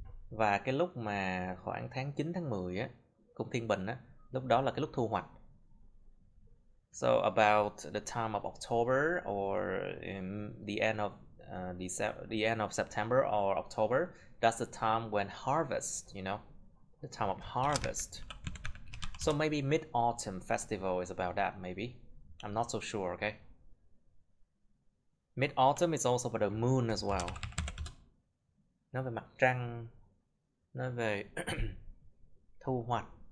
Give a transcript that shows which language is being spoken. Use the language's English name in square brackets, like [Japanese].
[Vietnamese] Và cái lúc mà khoảng tháng 9, tháng 10 á, cung thiên bình á, lúc đó là cái lúc thu hoạch. [English] So about the time of October or in the end of the end of September or October, that's the time when harvest, you know, the time of harvest. So maybe mid-autumn festival is about that, maybe. I'm not so sure, okay? Mid-autumn is also about the moon as well. [Vietnamese] Nói về mặt trăng, nói về thu hoạch.